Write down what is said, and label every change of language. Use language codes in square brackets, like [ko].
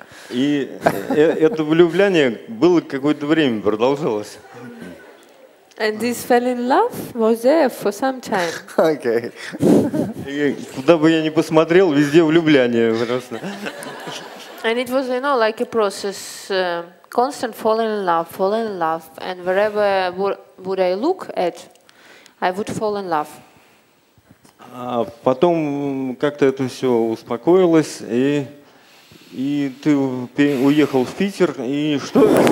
[ru] И это влюбление было какое-то время, продолжалось. [en] And this fell in love was there for some time. Okay. [ru] Куда бы я ни посмотрел, везде влюбляние просто. [en] And it was, you know, like a process, constant falling in love, and wherever would I look at, I would fall in love. [ru] А потом как-то это все успокоилось, и ты уехал в Питер, и что?